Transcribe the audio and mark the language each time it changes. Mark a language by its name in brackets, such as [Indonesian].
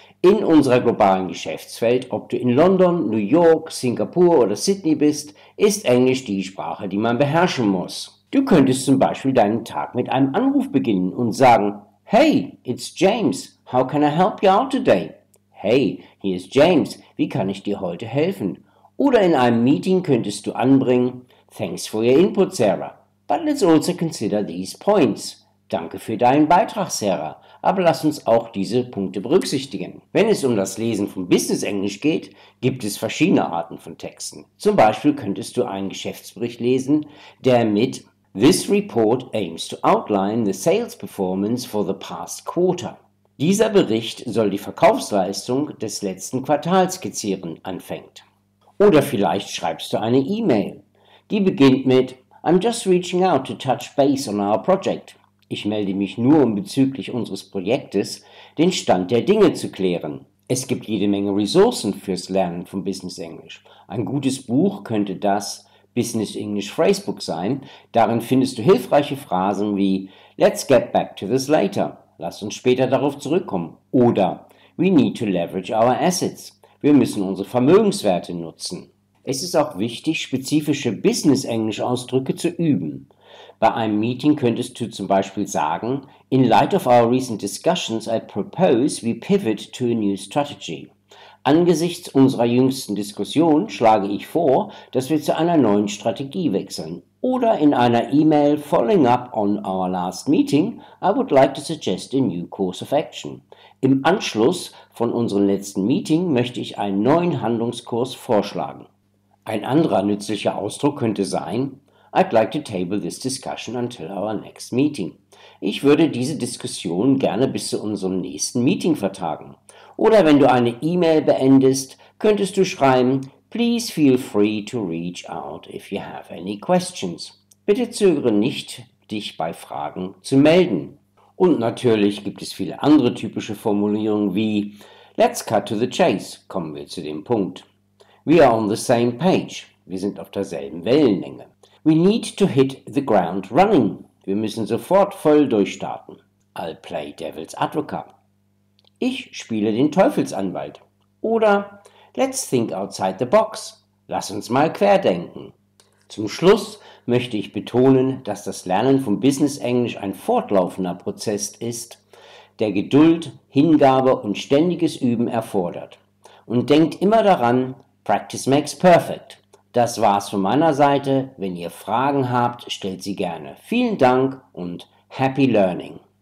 [German] In unserer globalen Geschäftswelt, ob du in London, New York, Singapur oder Sydney bist, ist Englisch die Sprache, die man beherrschen muss. Du könntest zum Beispiel deinen Tag mit einem Anruf beginnen und sagen, [English] Hey, it's James, how can I help you out today? Hey, here is James, [German] wie kann ich dir heute helfen? Oder in einem Meeting könntest du anbringen, [English] Thanks for your input, Sarah. But let's also consider these points. [German] Danke für deinen Beitrag, Sarah. Aber lass uns auch diese Punkte berücksichtigen. Wenn es um das Lesen von Business-Englisch geht, gibt es verschiedene Arten von Texten. Zum Beispiel könntest du einen Geschäftsbericht lesen, der mit [English] This report aims to outline the sales performance for the past quarter. [German] Dieser Bericht soll die Verkaufsleistung des letzten Quartals skizzieren, anfängt. Oder vielleicht schreibst du eine E-Mail. Die beginnt mit [English] I'm just reaching out to touch base on our project. [German] Ich melde mich nur, um bezüglich unseres Projektes den Stand der Dinge zu klären. Es gibt jede Menge Ressourcen fürs Lernen von Business English. Ein gutes Buch könnte das Business English Phrasebook sein. Darin findest du hilfreiche Phrasen wie [English] Let's get back to this later. [German] Lass uns später darauf zurückkommen. [English] Oder We need to leverage our assets. [German] Wir müssen unsere Vermögenswerte nutzen. Es ist auch wichtig, spezifische Business-Englisch-Ausdrücke zu üben. Bei einem Meeting könntest du zum Beispiel sagen, [English] In light of our recent discussions, I propose we pivot to a new strategy. [German] Angesichts unserer jüngsten Diskussion schlage ich vor, dass wir zu einer neuen Strategie wechseln. Oder in einer E-Mail, [English] following up on our last meeting, I would like to suggest a new course of action. [German] Im Anschluss von unserem letzten Meeting möchte ich einen neuen Handlungskurs vorschlagen. Ein anderer nützlicher Ausdruck könnte sein, [English] I'd like to table this discussion until our next meeting. [German] Ich würde diese Diskussion gerne bis zu unserem nächsten Meeting vertagen. Oder wenn du eine E-Mail beendest, könntest du schreiben, [English] Please feel free to reach out if you have any questions. [German] Bitte zögere nicht, dich bei Fragen zu melden. Und natürlich gibt es viele andere typische Formulierungen wie, [English] Let's cut to the chase, [German] kommen wir zu dem Punkt. [English] We are on the same page. [German] Wir sind auf derselben Wellenlänge. [English] We need to hit the ground running. [German] Wir müssen sofort voll durchstarten. [English] I'll play devil's advocate. [German] Ich spiele den Teufelsanwalt. [English] Oder let's think outside the box. [German] Lass uns mal querdenken. Zum Schluss möchte ich betonen, dass das Lernen von Business English ein fortlaufender Prozess ist, der Geduld, Hingabe und ständiges Üben erfordert. Und denkt immer daran, [English] Practice makes perfect. [German] Das war's von meiner Seite. Wenn ihr Fragen habt, stellt sie gerne. Vielen Dank und [English] happy learning!